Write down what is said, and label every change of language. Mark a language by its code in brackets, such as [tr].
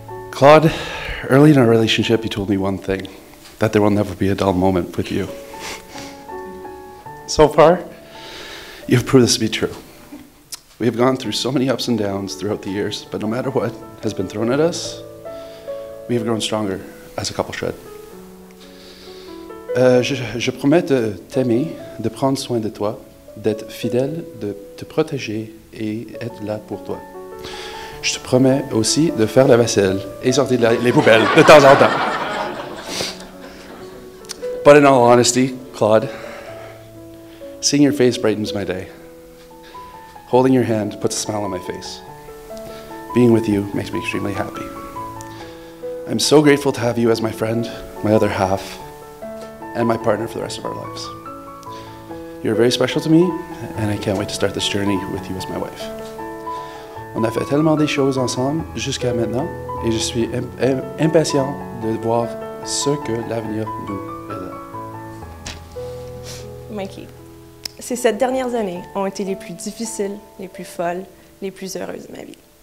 [en] Claude, early in our relationship, you told me one thing, that there will never be a dull moment with you. So far, you've proved this to be true. We have gone through so many ups and downs throughout the years, but no matter what has been thrown at us, we have grown stronger as a couple should. [fr] Je promets de t'aimer, de prendre soin de toi, d'être fidèle, de te protéger et être là pour toi. Je te promets aussi de faire la vaisselle et sortir les poubelles de temps en temps. [en] But in all honesty, Claude, seeing your face brightens my day. Holding your hand puts a smile on my face. Being with you makes me extremely happy. I'm so grateful to have you as my friend, my other half, and my partner for the rest of our lives. You're very special to me, and I can't wait to start this journey with you as my wife. [fr] On a fait tellement des choses ensemble jusqu'à maintenant, et je suis impatient de voir ce que l'avenir nous réserve. Mikey, ces 7 dernières années ont été les plus difficiles, les plus folles, les plus heureuses de ma vie.